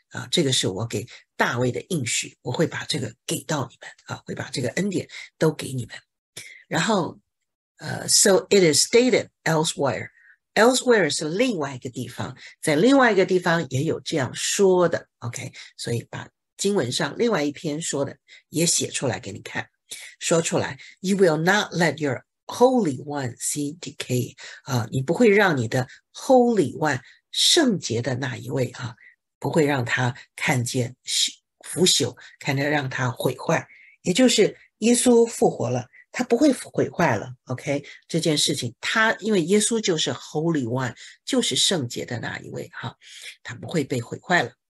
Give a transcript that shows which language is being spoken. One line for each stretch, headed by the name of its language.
Chinese: 啊，这个是我给大卫的应许，我会把这个给到你们啊，会把这个恩典都给你们。
English: 然后，so it is stated elsewhere.
Chinese: Elsewhere 是另外一个地方，在另外一个地方也有这样说的。 OK，所以把经文上另外一篇说的也写出来给你看，说出来。
English: You will not let your holy one see decay.
Chinese: 啊，你不会让你的
English: holy one
Chinese: 圣洁的那一位啊，不会让他看见腐朽，看见让他毁坏。也就是耶稣复活了。他不会毁坏了，OK？这件事情，他因为耶稣就是 Holy One，就是圣洁的那一位哈，他不会被毁坏了。